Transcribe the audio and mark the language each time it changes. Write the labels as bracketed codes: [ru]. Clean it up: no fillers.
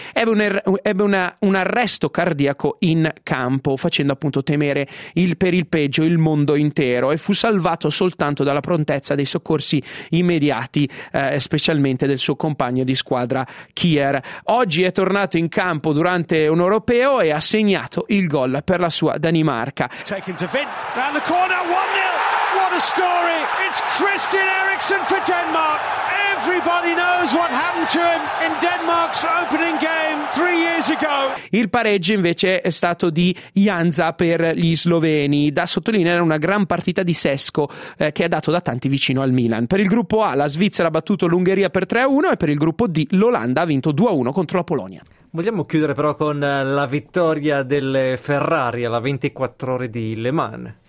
[it] ebbe un arresto cardiaco in campo, facendo appunto temere il peggio il mondo intero, e fu salvato soltanto dalla prontezza dei soccorsi immediati, specialmente del suo compagno di squadra Kier. Oggi è tornato in campo durante un europeo e ha segnato il gol per la sua Danimarca. [en] What a story! It's Christian Eriksen for Denmark. Everybody knows what happened to him in Denmark's opening game 3 years ago. [it] Il pareggio invece è stato di Janza per gli sloveni. Da sottolineare una gran partita di Sesko, che ha dato da tanti vicino al Milan. Per il gruppo A la Svizzera ha battuto l'Ungheria per 3-1 e per il gruppo D l'Olanda ha vinto 2-1 contro la Polonia. Vogliamo chiudere però con la vittoria delle Ferrari alla 24 ore di Le Mans.